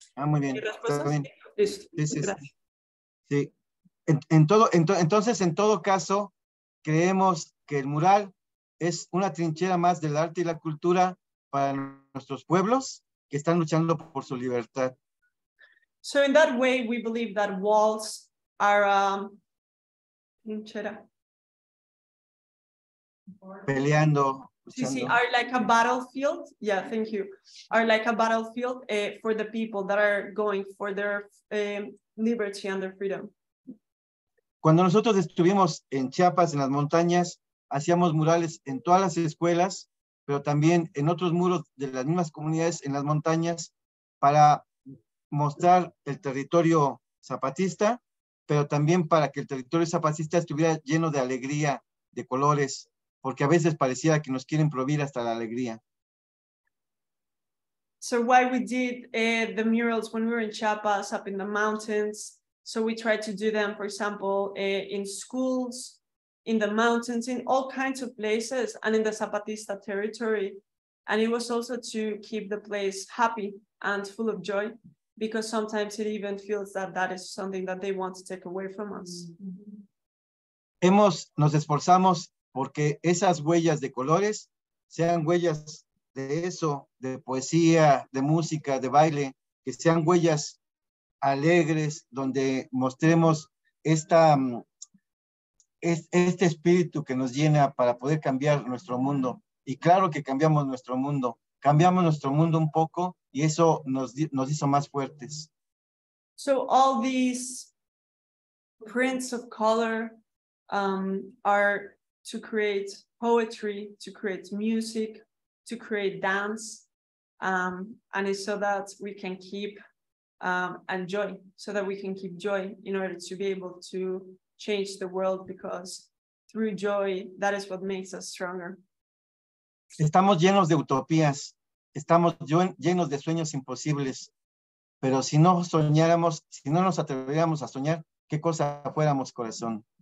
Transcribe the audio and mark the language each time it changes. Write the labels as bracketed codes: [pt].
[es] Ah, muy bien. ¿Y respuestas? Bien. Listo. Sí, sí, gracias. Sí. Entonces, en todo caso, creemos que el mural es una trinchera más del arte y la cultura para nuestros pueblos que están luchando por su libertad. [en] So in that way, we believe that walls are trinchera. [es] Peleando. Luchando. Sí, sí, [en] are like a battlefield. Yeah, thank you. Are like a battlefield for the people that are going for their liberty and their freedom. [es] Cuando nosotros estuvimos en Chiapas, en las montañas, hacíamos murales en todas las escuelas, pero también en otros muros de las mismas comunidades en las montañas para mostrar el territorio zapatista, pero también para que el territorio zapatista estuviera lleno de alegría, de colores, porque a veces parecía que nos quieren prohibir hasta la alegría. [en] So why we did the murals when we were in Chiapas, up in the mountains. So we tried to do them, for example, in schools, in the mountains, in all kinds of places, and in the Zapatista territory. And it was also to keep the place happy and full of joy, because sometimes it even feels that that is something that they want to take away from us. [es] Hemos, nos esforzamos porque esas huellas de colores sean huellas de eso, de poesía, de música, de baile, que sean huellas alegres, donde mostremos esta, este espíritu que nos llena para poder cambiar nuestro mundo. Y claro que cambiamos nuestro mundo un poco y eso nos hizo más fuertes. [en] So all these prints of color are to create poetry, to create music, to create dance, and it's so that we can keep and joy, so that we can keep joy in order to be able to change the world, because through joy, that is what makes us stronger. [es] Estamos llenos de utopías, estamos llenos de sueños imposibles, pero si no soñáramos, si no nos atreviéramos a soñar, ¿qué cosa fuéramos, corazón?